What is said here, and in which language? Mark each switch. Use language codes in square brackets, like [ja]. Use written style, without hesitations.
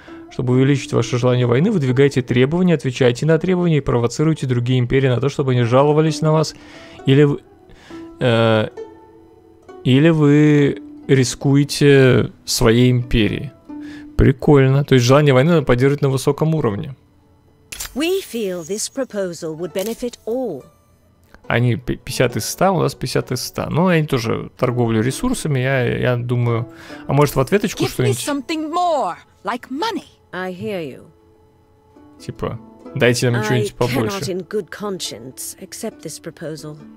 [ru] Чтобы увеличить ваше желание войны, выдвигайте требования, отвечайте на требования и провоцируйте другие империи на то, чтобы они жаловались на вас. Или вы рискуете своей империей. Прикольно. То есть желание войны надо поддерживать на высоком уровне. [en] We feel this proposal would benefit all. [ru] Они 50 из 100, у нас 50 из 100. Ну, они тоже торговлю ресурсами, я думаю. А может, в ответочку [en] Give [ru] что-нибудь? [en] Give me something more, like money. I hear you. [ru] Типа, дайте нам что-нибудь побольше. [en] I cannot in good conscience accept this proposal.